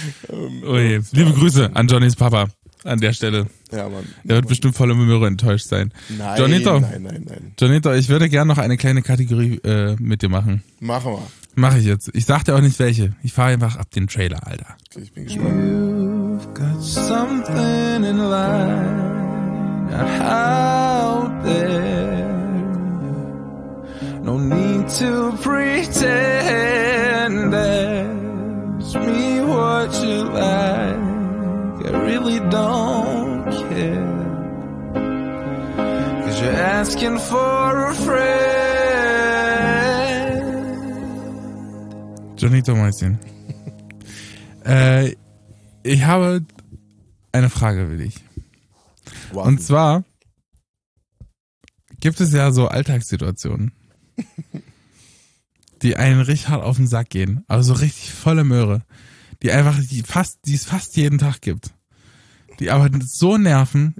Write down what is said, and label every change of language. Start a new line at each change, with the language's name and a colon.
German: Liebe Grüße an Johnnys Papa an der Stelle. Ja, Mann. Der wird bestimmt voll im Möhre enttäuscht sein. Nein, Johnito, nein. Johnito, ich würde gerne noch eine kleine Kategorie mit dir machen. Machen wir. Mach ich jetzt. Ich sag dir auch nicht welche. Ich fahre einfach ab den Trailer, Alter. Okay, ich bin gespannt.
English: You've got something in life, not out there. No need to pretend. Ask me what you like. I really don't care. 'Cause you're asking for a friend.
German: Johnito Mäuschen. ich habe eine Frage für dich. Wow. Und zwar gibt es ja so Alltagssituationen, die einen richtig hart auf den Sack gehen, aber so richtig volle Möhre, die es fast jeden Tag gibt, die aber so nerven.